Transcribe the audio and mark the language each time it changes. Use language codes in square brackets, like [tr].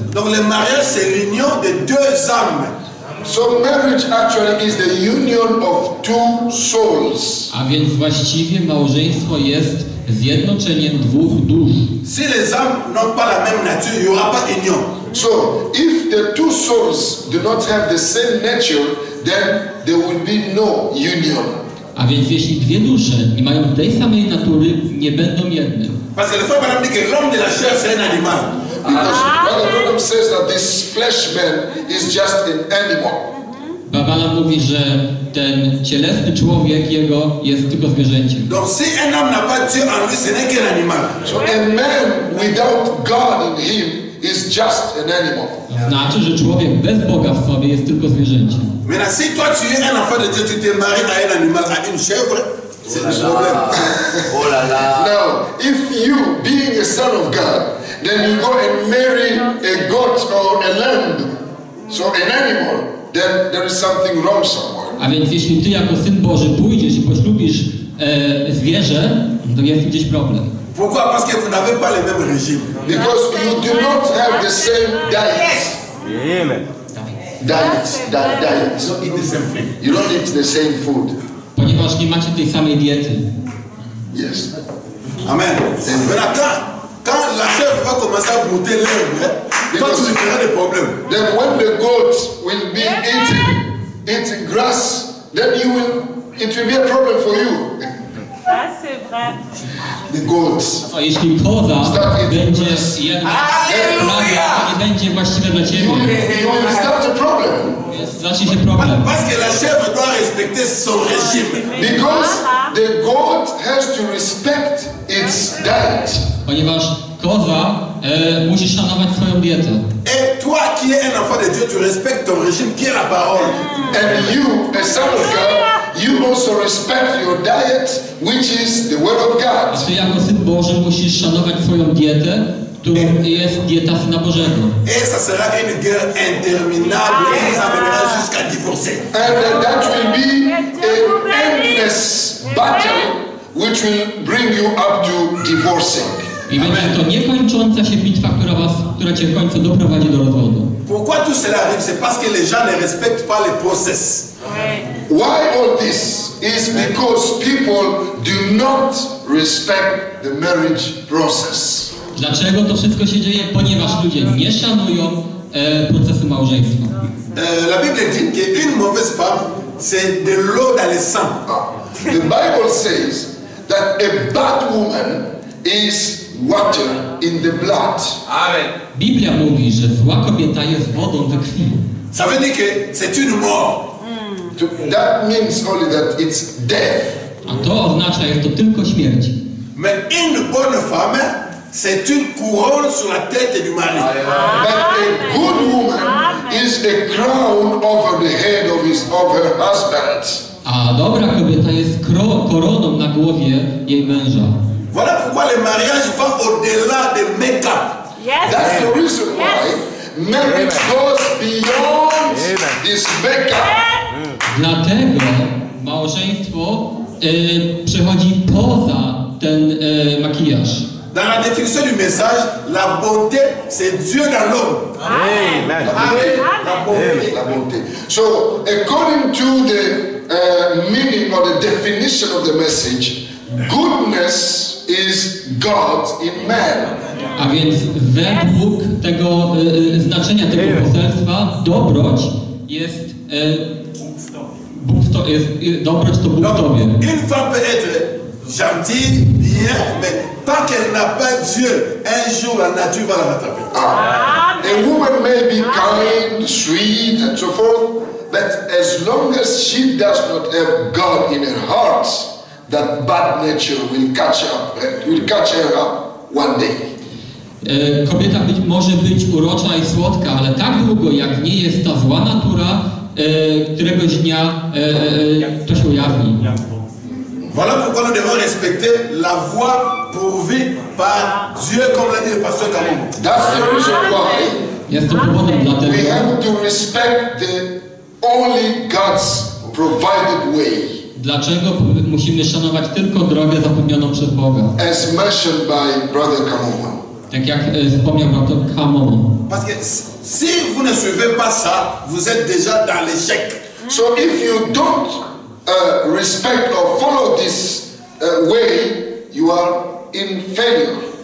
[fr] Donc le mariage c'est l'union de deux âmes. [en] So marriage actually is the union of two souls. [pl] A więc właściwie małżeństwo jest zjednoczeniem dwóch dusz. [fr] Si les âmes n'ont pas la même nature, il n'y aura pas union. [en] So if the two souls do not have the same nature, then there will be no union. [pl] A więc jeśli dwie dusze nie mają tej samej natury, nie będą jednym. [fr] Parce que l'homme dit que l'homme de la chair c'est un animal. [en] Because Brother Branham says that this flesh man is just an animal. [pl] Babala mówi, że ten cielesny człowiek jego jest tylko zwierzęciem. [fr] Donc si un homme n'a pas Dieu en lui, ce n'est qu'un animal. [en] So a man without God in him is just an animal. [pl] Znaczy, że człowiek bez Boga w sobie jest tylko zwierzęciem. [fr] Maintenant, si toi tu es un enfant de Dieu, tu te maries à un animal, à une chèvre, c'est un problème. Oh là là. [en] Now, if you, being a son of God, then you go and marry a goat or a lamb, so an animal, then there is something wrong somewhere. [pl] A więc jeśli ty jako Syn Boży pójdziesz i poślubisz zwierzę, to jest gdzieś problem. [fr] Pourquoi? Parce que vous n'avez pas le même régime. [en] Because you do not have the same diet. Amen. Diet. You don't eat the same thing. You don't eat the same food. [pl] Ponieważ nie macie tej samej diety. [en] Yes. Amen. Amen. [fr] Quand la chèvre va commencer à brouter l'herbe, toi tu feras des problèmes. [en] Then when the goat will be eating grass, then you will it will be a problem for you. [fr] Ça, c'est vrai. [en] The goats. [pl] A jeśli koza będzie jedna, to nie będzie właściwe dla ciebie. [en] You start a problem. [pl] Zacznie się problem. [fr] Parce que la chèvre doit respecter son régime. [en] Because the goat has to respect its diet. [pl] Ponieważ koza musi szanować swoją dietę. [fr] Et toi qui es un enfant de Dieu, tu respectes ton régime qui est la parole. [en] And you, a son of God, you also respect your diet, which is the word of God. [pl] A ty jako Syn Boży musisz szanować swoją dietę, którą jest dieta Syna Bożego. [fr] Et ça sera une guerre interminable et ça mènera jusqu'à divorcer. [en] And that will be an endless battle which will bring you up to divorcing. [pl] I będzie to niekończąca się bitwa, która cię w końcu doprowadzi do rozwodu. [fr] Pourquoi tout cela arrive? C'est parce que les gens ne respectent pas les process. [en] Why all this is because people do not respect the marriage process. [pl] Dlaczego to wszystko się dzieje? Ponieważ ludzie nie szanują procesu małżeństwa. [fr] La Bible dit que une mauvaise femme c'est de l'eau dans le sang. [en] The Bible says that a bad woman is water in the blood. Amen. [pl] Biblia mówi, że zła kobieta jest wodą we krwi. [fr] Ça veut dire que c'est une mort. [en] That means only that it's death. [pl] A to oznacza, jest to tylko śmierć. [fr] Mais une bonne femme, c'est une couronne sur la tête du mari. [en] But a good woman is a crown over the head of his of her husband. [pl] A dobra kobieta jest koroną na głowie jej męża. [fr] Voilà pourquoi les mariages vont au-delà de make-up. [en] Yes. That's the reason why marriage goes beyond this make-up. [pl] Dlatego małżeństwo przechodzi poza ten makijaż. [fr] Dans la définition du message, la beauté, c'est Dieu dans l'homme. [en] Amen. [fr] Amen. La beauté, la beauté. [en] So, according to the meaning or the definition of the message, goodness is God in man. [pl] A więc według tego znaczenia tego poselstwa, dobroć jest Bóg w tobie. Dobroć to Bóg w tobie. [fr] Une femme peut être gentille, bien, mais tant qu'elle n'a pas Dieu, un jour la nature va la rattraper. [en] A woman may be kind, sweet, and so forth, but as long as she does not have God in her heart, that bad nature will catch her up one day. [pl] Kobieta może być urocza i słodka, ale tak długo, jak nie jest ta zła natura, któregoś dnia to się ujawni. [fr] Voilà pourquoi nous devons respecter la voie pourvue par Dieu, comme l'a dit le pasteur Kamon. [en] That's the reason why we have to respect the only God's provided way. [pl] Dlaczego musimy szanować tylko drogę zapewnioną przez Boga? [en] As mentioned by Brother Kamon. [pl] Tak jak wspomniał brother Kamon. [fr] Parce que si vous ne suivez pas ça, vous êtes déjà dans l'échec. [en] So if you don't respect or follow this way, you are in failure.